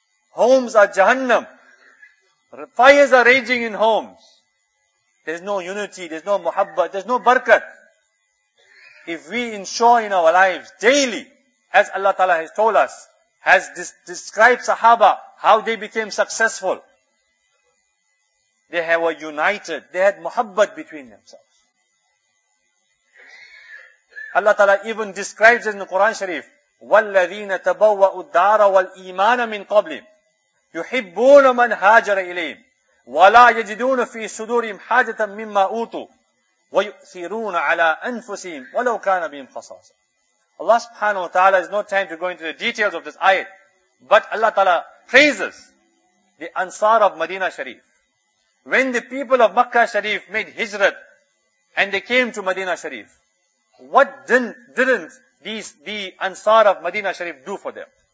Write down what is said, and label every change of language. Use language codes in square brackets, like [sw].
[en] Homes are jahannam. Fires are raging in homes. There's no unity, there's no muhabbat, there's no barakat. if we ensure in our lives daily, as Allah Ta'ala has told us, has described Sahaba, how they became successful. They were united. They had muhabbat between themselves. Allah Ta'ala even describes it in the Quran Sharif, [ar] وَالَّذِينَ تَبَوَّأُوا الدَّارَ وَالْإِيمَانَ مِنْ قَبْلِهِمْ يُحِبُّونَ مَنْ هَاجَرَ إِلَيْهِمْ وَلَا يَجِدُونَ فِي صُدُورِهِمْ حَاجَةً مِمَّا أُوتُوا وَيُؤْثِرُونَ عَلَىٰ أَنفُسِهِمْ وَلَوْ كَانَ بِهِمْ خَصَاصَةً. [en] Allah subhanahu wa ta'ala has no time to go into the details of this ayat, but Allah ta'ala praises the Ansar of Medina Sharif. When the people of Makkah Sharif made hijrat and they came to Medina Sharif, what didn't the Ansar of Medina Sharif do for them?